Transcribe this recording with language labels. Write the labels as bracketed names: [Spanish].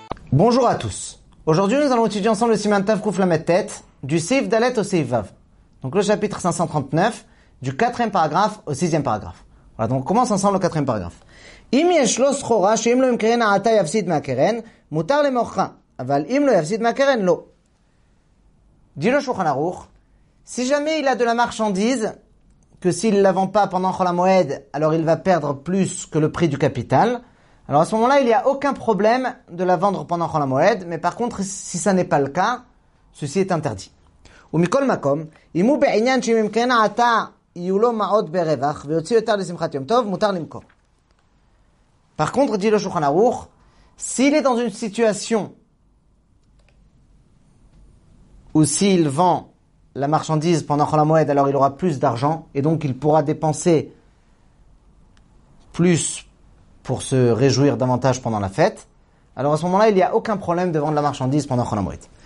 [French] Bonjour à tous. Aujourd'hui, nous allons étudier ensemble le Siman Tav Kouf Lamed Tet du Seif Dalet au Seif Vav. Donc le chapitre 539, du 4e paragraphe au 6e paragraphe. Voilà, donc on commence ensemble le 4e paragraphe. [Hebrew] אם יש לו סחורה שאם לא ימכרן העתה יפסיד מהקרן, מותר למוכרה, אבל אם לא יפסיד מהקרן, לא. דינו שולחן ערוך, [French] si jamais il a de la marchandise, que s'il ne la vend pas pendant Chol HaMoed, alors il va perdre plus que le prix du capital, alors à ce moment-là, il n'y a aucun problème de la vendre pendant Chol HaMoed, mais par contre, si ça n'est pas le cas, ceci est interdit. [Hebrew] ומכל מקום, אם הוא בעניין שאם ימכרן העתה יהיו לו מעות ברווח, ויוציא יותר לשמחת יום טוב, מותר למכור. [French] Par contre, dit le Shulchan Aruch, s'il est dans une situation où s'il vend la marchandise pendant Chol HaMoed, alors il aura plus d'argent et donc il pourra dépenser plus pour se réjouir davantage pendant la fête, alors à ce moment-là, il n'y a aucun problème de vendre la marchandise pendant Chol HaMoed.